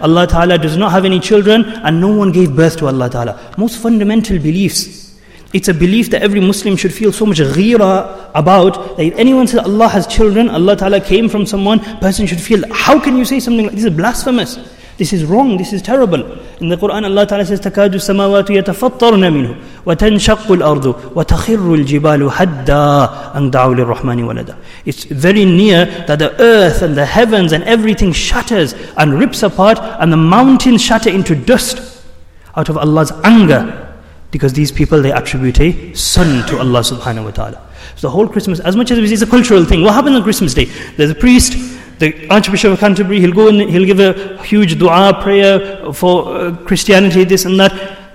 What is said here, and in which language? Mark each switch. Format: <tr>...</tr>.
<en>Allah Ta'ala does not have any children and no one gave birth to Allah Ta'ala. Most fundamental beliefs. It's a belief that every Muslim should feel so much ghira about, that if anyone says Allah has children, Allah Ta'ala came from someone, person should feel, how can you say something like this? This is blasphemous. This is wrong, this is terrible. In the Quran, Allah Ta'ala says,</en> <ar>تَكَادُ السَّمَاوَاتُ يَتَفَطَّرْنَ مِنْهُ وَتَنْشَقُّ الْأَرْضُ وَتَخِرُّ الْجِبَالُ حَدَّا أَنْ دَعُوا لِلرَّحْمَنِ وَلَدًا.</ar> <en>It's very near that the earth and the heavens and everything shatters and rips apart, and the mountains shatter into dust out of Allah's anger, because these people, they attribute a son to Allah subhanahu wa ta'ala. So the whole Christmas, as much as it's a cultural thing, what happens on Christmas Day? There's a priest, the Archbishop of Canterbury, he'll go and he'll give a huge dua prayer for Christianity, this and that.</en>